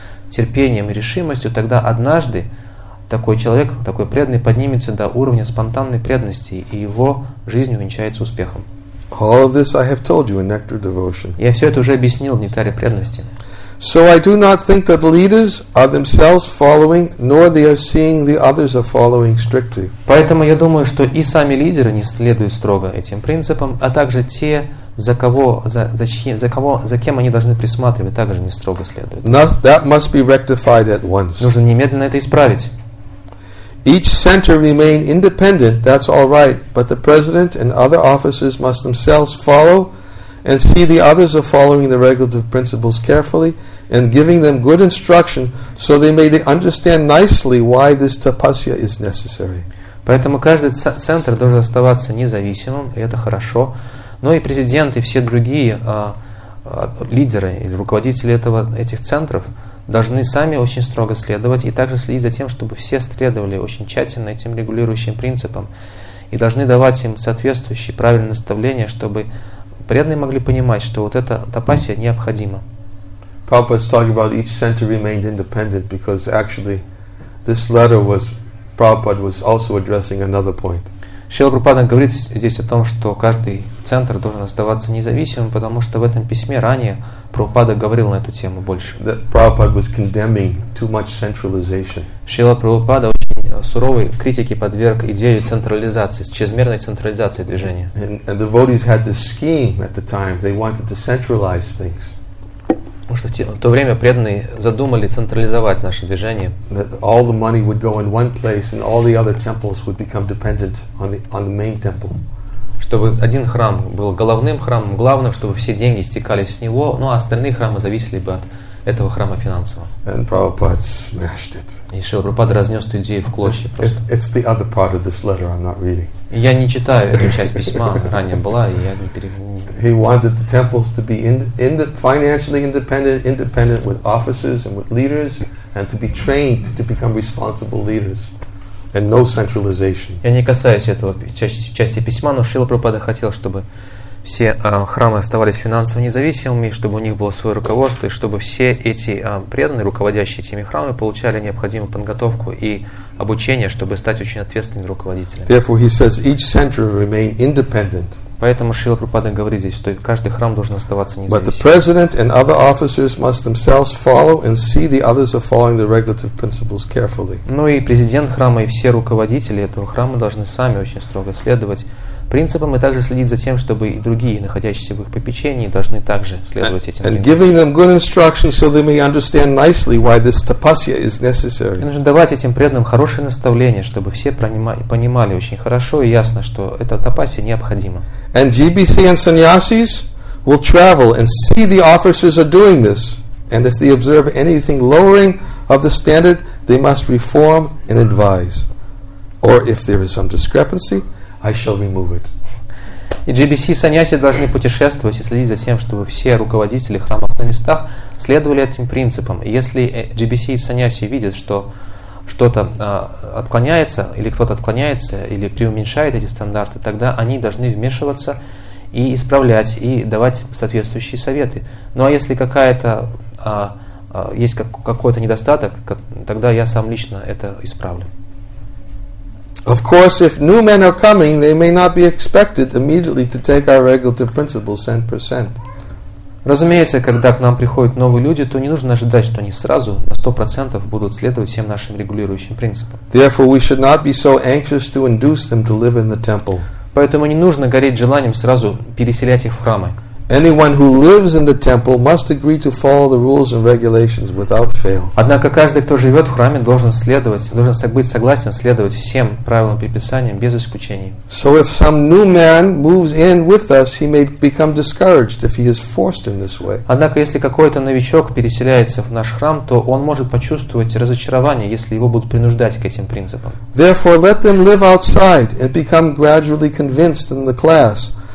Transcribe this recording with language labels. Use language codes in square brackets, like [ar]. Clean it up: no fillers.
[ru] терпением и решимостью, тогда однажды такой человек, такой преданный, поднимется до уровня спонтанной преданности, и его жизнь увенчается успехом. [en] All of this I have told you in Nectar Devotion. [ru] Я все это уже объяснил в Нектаре преданности. [en] So I do not think that leaders are themselves following, nor they are seeing the others are following strictly. [ru] Поэтому я думаю, что и сами лидеры не следуют строго этим принципам, а также те, за кем они должны присматривать, также не строго следуют. [en] That must be rectified at once. [ru] Нужно немедленно это исправить. [en] each center remain independent, that's all right, but the president and other officers must themselves follow and see the others are following the regulative principles carefully and giving them good instruction so they may understand nicely why this tapasya is necessary. [ru] Поэтому каждый центр должен оставаться независимым, и это хорошо. Но и президент, и все другие лидеры или руководители этих центров должны сами очень строго следовать и также следить за тем, чтобы все следовали очень тщательно этим регулирующим принципам и должны давать им соответствующие правильные наставления, чтобы преданные могли понимать, что вот эта тапасия необходима. [en] Prabhupada's talking about each center remained independent because actually this letter was Prabhupada was also addressing another point. [ru] Шрила Прабхупада говорит здесь о том, что каждый центр должен оставаться независимым, потому что в этом письме ранее Прабхупада говорил на эту тему больше. [en] That Prabhupada was condemning too much centralization. [ru] Шрила Прабхупада очень суровой критике подверг идею централизации, чрезмерной централизации движения. [en] And the devotees had this scheme at the time. They wanted to centralize things. [ru] Потому что в то время преданные задумали централизовать наше движение. [en] That all the money would go in one place and all the other temples would become dependent on the main temple. [ru] Чтобы один храм был головным храмом, главным, чтобы все деньги стекались с него, ну а остальные храмы зависели бы от этого храма финансово. [en] And Prabhupada smashed it. [ru] И Шрила Прабхупада разнес эту идею в клочья просто. [en] It's the other part of this letter I'm not reading. [ru] Я не читаю эту часть письма, ранее была, и я не перевел. [en] He wanted the temples to be financially independent with officers and with leaders, and to be trained to become responsible leaders, and no centralization. [ru] Я не касаюсь этого части письма, но Шрила Прабхупада хотел, чтобы все храмы оставались финансово независимыми, чтобы у них было свое руководство, и чтобы все эти преданные, руководящие этими храмами, получали необходимую подготовку и обучение, чтобы стать очень ответственными руководителями. [en] Therefore, he says, each center remain independent. [ru] Поэтому Шрила Прабхупада говорит здесь, что каждый храм должен оставаться независимым. [en] But the president and other officers must themselves follow and see the others are following the regulative principles carefully. [ru] Ну и президент храма и все руководители этого храма должны сами очень строго следовать принципам и также следить за тем, чтобы и другие, находящиеся в их попечении, должны также следовать этим принципам. [en] And giving them good instructions so they may understand nicely why this tapasya is necessary. [ru] И нужно давать этим преданным хорошее наставление, чтобы все понимали очень хорошо и ясно, что эта тапасия необходима. [en] And GBC and sannyasis will travel and see the officers are doing this. And if they observe anything lowering of the standard, they must reform and advise. Or if there is some discrepancy, I shall remove it. [ru] И GBC и саньяси должны путешествовать и следить за тем, чтобы все руководители храмов на местах следовали этим принципам. И если GBC и саньяси видят, что что-то отклоняется, или кто-то отклоняется, или преуменьшает эти стандарты, тогда они должны вмешиваться и исправлять, и давать соответствующие советы. Ну а если какой-то недостаток, тогда я сам лично это исправлю. [en] Of course, if new men are coming, they may not be expected immediately to take our regulative principles 100%. [ru] Разумеется, когда к нам приходят новые люди, то не нужно ожидать, что они сразу на 100% будут следовать всем нашим регулирующим принципам. [en] Therefore, we should not be so anxious to induce them to live in the temple. [ru] Поэтому не нужно гореть желанием сразу переселять их в храмы. [en] Anyone who lives in the temple must agree to follow the rules and regulations without fail. [ru] Однако каждый, кто живет в храме, должен быть согласен следовать всем правилам и предписаниям без исключений. [en] So if some new man moves in with us, he may become discouraged if he is forced in this way. [ru] Однако если какой-то новичок переселяется в наш храм, то он может почувствовать разочарование, если его будут принуждать к этим принципам. [en] Therefore, let them live outside and become gradually convinced in the class.